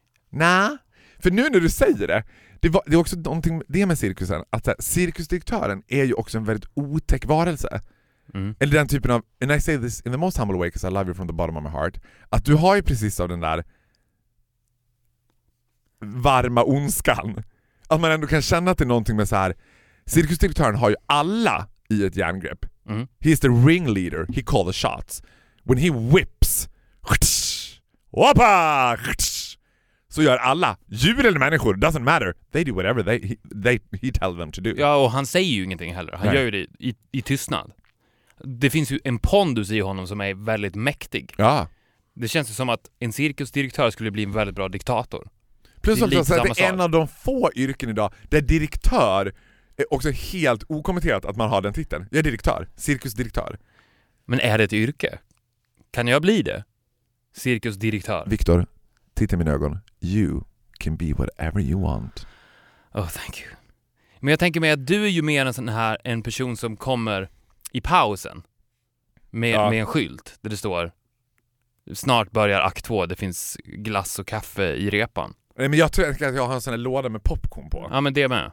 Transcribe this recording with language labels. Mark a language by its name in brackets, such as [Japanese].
[Swedish] Nej, för nu när du säger det, det är också någonting det med cirkusen, att här, cirkusdirektören är ju också en väldigt otäck varelse. Mm. Eller den typen av, [English] and I say this in the most humble way because I love you from the bottom of my heart, [Swedish] att du har ju precis av den där varma ondskan. Att man ändå kan känna att det är någonting med så här, cirkusdirektören har ju alla i ett järngrepp. Mm. [English] He's the ringleader, he calls the shots. When he whips, [Swedish] hoppa, så gör alla, djur eller människor, [English] doesn't matter. They do whatever he tells them to do. [Swedish] Ja, och han säger ju ingenting heller. Han gör ju det i tystnad. Det finns ju en pondus i honom som är väldigt mäktig. Ja. Det känns ju som att en cirkusdirektör skulle bli en väldigt bra diktator. Plus det är, också, så att det är en av de få yrken idag där direktör är också helt okommenterat att man har den titeln. Jag är direktör, cirkusdirektör. Men är det ett yrke? Kan jag bli det? Cirkusdirektör. Viktor, titta i mina ögon. [English] You can be whatever you want. Oh, thank you. [Swedish] Men jag tänker mig att du är ju mer en sån här, en person som kommer i pausen med, ja, med en skylt där det står snart börjar akt 2, det finns glass och kaffe i repan. Nej, men jag tror att jag har en sån här låda med popcorn på. Ja, men det med.